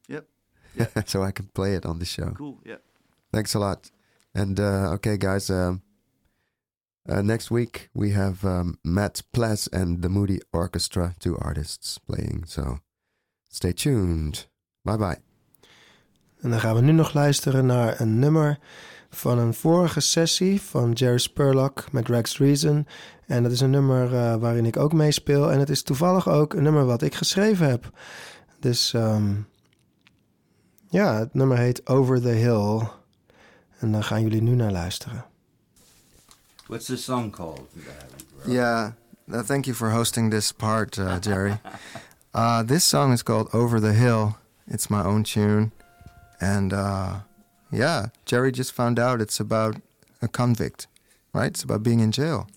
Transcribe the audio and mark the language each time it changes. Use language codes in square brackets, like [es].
[en] Yep. So I can play it on the show. Cool, yeah. Thanks a lot. And, okay, guys, next week we have Matt Pless and the Moody Orchestra, two artists playing, so stay tuned. Bye bye. [nl] En dan gaan we nu nog luisteren naar een nummer van een vorige sessie van Jerry Spurlock met Rex Reason. En dat is een nummer waarin ik ook meespeel. En het is toevallig ook een nummer wat ik geschreven heb. Dus ja, het nummer heet Over the Hill. En daar gaan jullie nu naar luisteren. [en] What's the song called? Yeah, thank you for hosting this part, Jerry. This song is called Over the Hill. It's my own tune. And yeah, Jerry just found out it's about a convict, right? It's about being in jail.